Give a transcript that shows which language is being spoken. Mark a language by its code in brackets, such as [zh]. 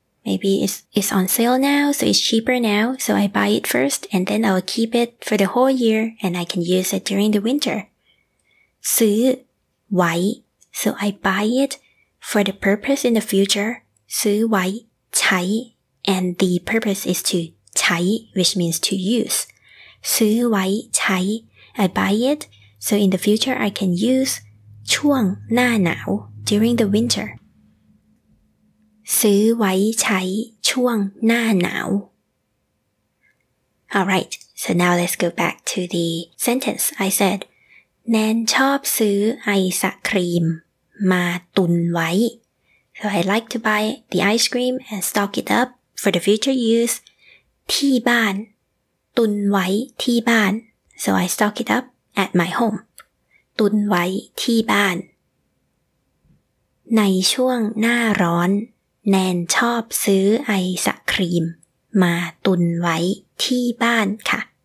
[en] Maybe it's on sale now, so it's cheaper now, so I buy it first, and then I'll keep it for the whole year, and I can use it during the winter. [th] ซื้อไว้ [en] so I buy it for the purpose in the future. [th] ซื้อไว้ใช้ [en] and the purpose is to ใช้ which means to use. [th] ซื้อไว้ใช้ [en] I buy it so in the future I can use [th] ช่วงหน้าหนาว [en] during the winter [th] ซื้อไว้ใช้ช่วงหน้าหนาว [en] All right So now let's go back to the sentence. I said, [th] แนนชอบซื้อไอศกรีมมาตุนไว้ [en] So I like to buy the ice cream and stock it up for the future use [th] ที่บ้านตุนไว้ที่บ้าน [en] So I stock it up at my home [th] ตุนไว้ที่บ้านในช่วงหน้าร้อนแนนชอบซื้อไอศกรีมมาตุนไว้ที่บ้านค่ะ